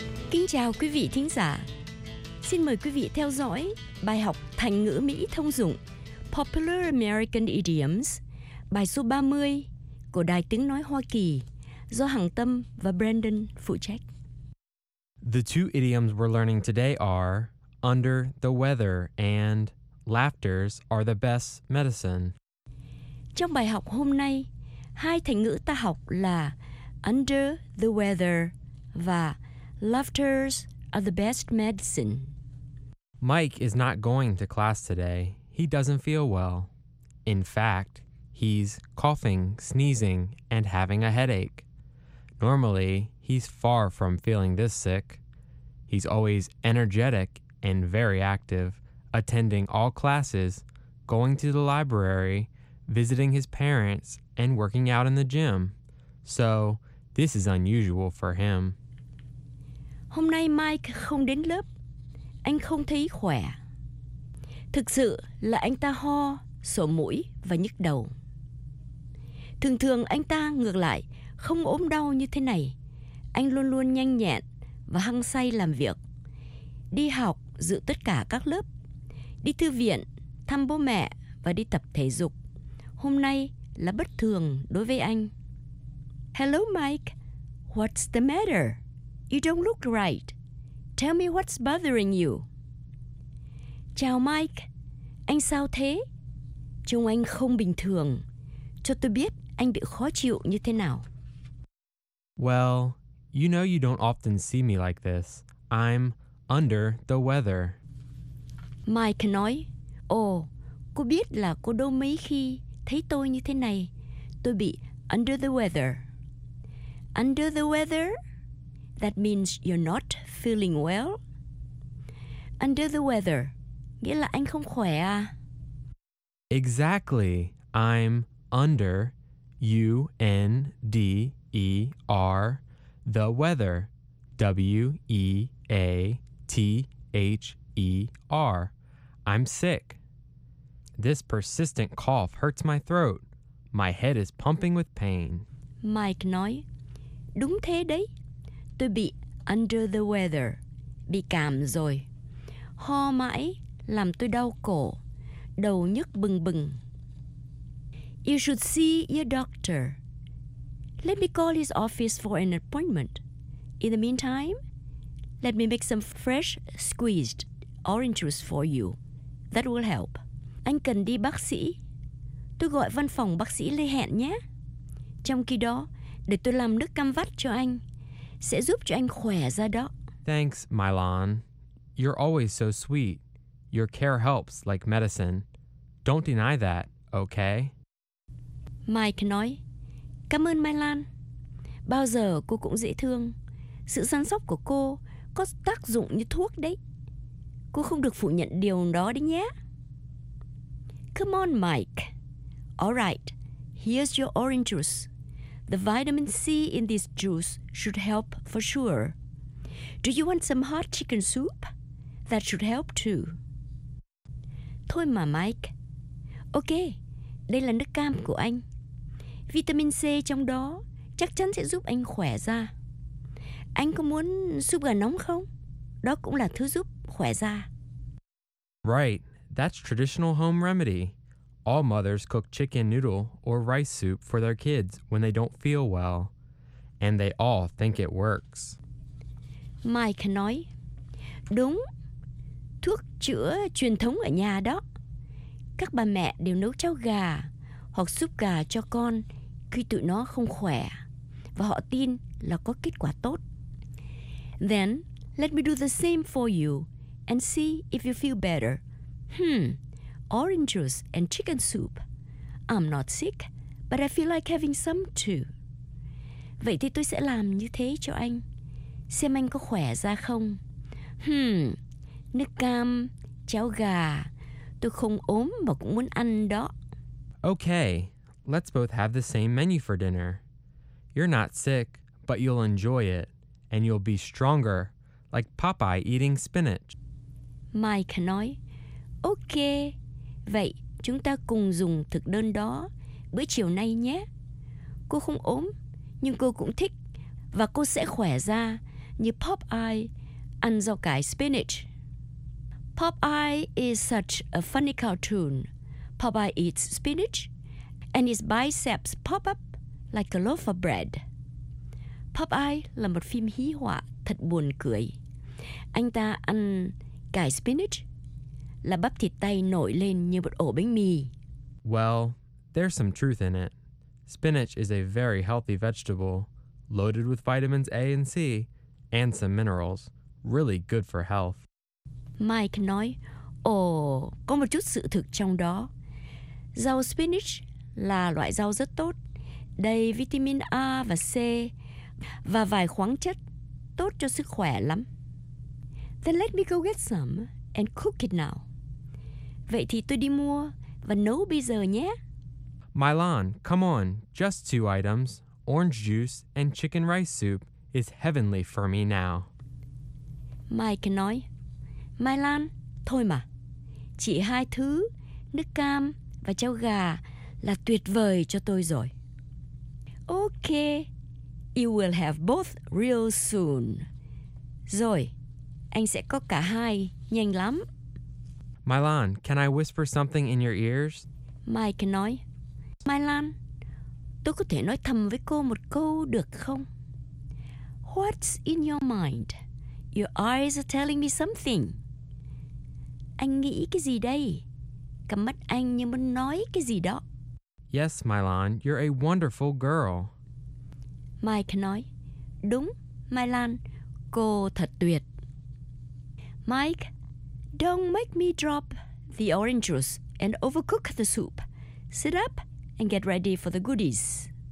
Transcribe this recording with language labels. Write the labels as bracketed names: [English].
[Vietnamese] Kính chào quý vị thính giả. Xin mời quý vị theo dõi bài học thành ngữ Mỹ thông dụng [English] Popular American Idioms, [Vietnamese] bài số 30 của Đài Tiếng Nói Hoa Kỳ do Hằng Tâm và Brandon phụ trách. [English] The two idioms we're learning today are under the weather and laughters are the best medicine. [Vietnamese] Trong bài học hôm nay, hai thành ngữ ta học là [English] under the weather [Vietnamese] và [English] laughters are the best medicine. Mike is not going to class today. He doesn't feel well. In fact, he's coughing, sneezing, and having a headache. Normally, he's far from feeling this sick. He's always energetic and very active, attending all classes, going to the library, visiting his parents, and working out in the gym. So, this is unusual for him. [Vietnamese] Hôm nay Mike không đến lớp. Anh không thấy khỏe. Thực sự là anh ta ho, sổ mũi và nhức đầu. Thường thường anh ta ngược lại không ốm đau như thế này. Anh luôn luôn nhanh nhẹn và hăng say làm việc. Đi học, dự tất cả các lớp. Đi thư viện, thăm bố mẹ và đi tập thể dục. Hôm nay là bất thường đối với anh. [English] Hello Mike, what's the matter? You don't look right. Tell me what's bothering you. [Vietnamese] Chào Mike. Anh sao thế? Trông anh không bình thường. Cho tôi biết anh bị khó chịu như thế nào. [English] Well, you know you don't often see me like this. I'm under the weather. [Vietnamese] Mike nói, cô biết là cô đâu mấy khi thấy tôi như thế này. Tôi bị [English] under the weather. Under the weather? That means you're not feeling well. Under the weather, [Vietnamese] nghĩa là anh không khỏe à? [English] Exactly. I'm under, U-N-D-E-R, the weather, W-E-A-T-H-E-R. I'm sick. This persistent cough hurts my throat. My head is pumping with pain. [Vietnamese] Mike nói, đúng thế đấy. Tôi bị [English] under the weather, [Vietnamese] bị cảm rồi. Ho mãi làm tôi đau cổ, đầu nhức bừng bừng. [English] You should see your doctor. Let me call his office for an appointment. In the meantime, let me make some fresh squeezed orange juice for you. That will help. [Vietnamese] Anh cần đi bác sĩ. Tôi gọi văn phòng bác sĩ lên hẹn nhé. Trong khi đó, để tôi làm nước cam vắt cho anh. Sẽ giúp cho anh khỏe ra đó. [English] Thanks, Mylon. You're always so sweet. Your care helps like medicine. Don't deny that, okay? [Vietnamese] Mike nói, cảm ơn Mylon. Bao giờ cô cũng dễ thương. Sự săn sóc của cô có tác dụng như thuốc đấy. Cô không được phủ nhận điều đó đấy nhé. [English] Come on, Mike. All right, here's your orange juice. The vitamin C in this juice should help for sure. Do you want some hot chicken soup? That should help too. [Vietnamese] Thôi mà Mike. Ok, đây là nước cam của anh. Vitamin C trong đó chắc chắn sẽ giúp anh khỏe da. Anh có muốn súp gà nóng không? Đó cũng là thứ giúp khỏe da. [English] Right, that's traditional home remedy. All mothers cook chicken noodle or rice soup for their kids when they don't feel well. And they all think it works. [Vietnamese] Mike nói, đúng, thuốc chữa truyền thống ở nhà đó. Các bà mẹ đều nấu cháo gà hoặc súp gà cho con khi tụi nó không khỏe. Và họ tin là có kết quả tốt. [English] Then, let me do the same for you and see if you feel better. Orange juice and chicken soup. I'm not sick, but I feel like having some too. [Vietnamese] Vậy thì tôi sẽ làm như thế cho anh. Xem anh có khỏe ra không. Nước cam, cháo gà. Tôi không ốm mà cũng muốn ăn đó. [English] Okay, let's both have the same menu for dinner. You're not sick, but you'll enjoy it. And you'll be stronger, like Popeye eating spinach. [Vietnamese] Mike nói, ok, vậy chúng ta cùng dùng thực đơn đó bữa chiều nay nhé. Cô không ốm, nhưng cô cũng thích, và cô sẽ khỏe ra như Popeye ăn rau cải spinach. [English] Popeye is such a funny cartoon. Popeye eats spinach, and his biceps pop up like a loaf of bread. [Vietnamese] Popeye là một phim hí họa thật buồn cười. Anh ta ăn cải spinach là bắp thịt tay nổi lên như một ổ bánh mì. [English] Well, there's some truth in it. Spinach is a very healthy vegetable, loaded with vitamins A and C, and some minerals. Really good for health. [Vietnamese] Mike nói, có một chút sự thực trong đó. Rau spinach là loại rau rất tốt, đầy vitamin A và C, và vài khoáng chất tốt cho sức khỏe lắm. [English] Then let me go get some and cook it now. [Vietnamese] Vậy thì tôi đi mua và nấu bây giờ nhé. [English] Mylon, come on, just two items, orange juice and chicken rice soup is heavenly for me now. [Vietnamese] Mike nói, Mylon, thôi mà, chỉ hai thứ, nước cam và cháo gà là tuyệt vời cho tôi rồi. Okay. [English] You will have both real soon. [Vietnamese] Rồi, anh sẽ có cả hai, nhanh lắm. [English] Mylon, can I whisper something in your ears? [Vietnamese] Mike nói, Mylon, tôi có thể nói thầm với cô một câu được không? [English] What's in your mind? Your eyes are telling me something. [Vietnamese] Anh nghĩ cái gì đây? Cặp mắt anh như muốn nói cái gì đó. [English] Yes, Mylon, you're a wonderful girl. [Vietnamese] Mike nói, đúng, Mylon, cô thật tuyệt. [English] Mike, don't make me drop the orange juice and overcook the soup. Sit up and get ready for the goodies.